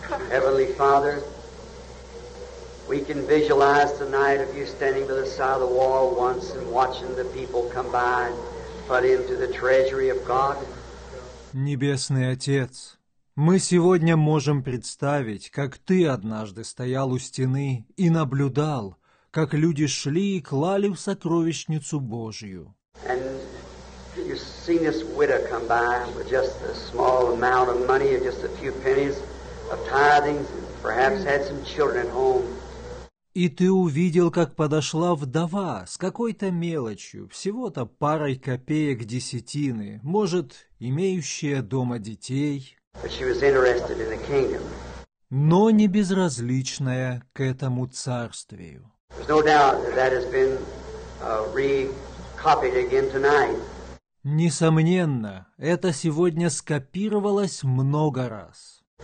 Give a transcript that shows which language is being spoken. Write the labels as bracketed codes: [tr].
[en] Heavenly Father, we can visualize tonight of you standing by the side of the wall once and watching the people come by and put into the treasury of God. [ru] Небесный Отец, мы сегодня можем представить, как ты однажды стоял у стены и наблюдал, как люди шли и клали в сокровищницу Божью. [en] And you've seen this widow come by with just a small amount of money, just a few pennies of tithings, and perhaps had some children at home. [ru] И ты увидел, как подошла вдова с какой-то мелочью, всего-то парой копеек десятины, может, имеющая дома детей. [en] But she was interested in the kingdom. [ru] Но не безразличная к этому царствию. [en] There's no doubt that that has been recopied again tonight. [ru] Несомненно, это сегодня скопировалось много раз.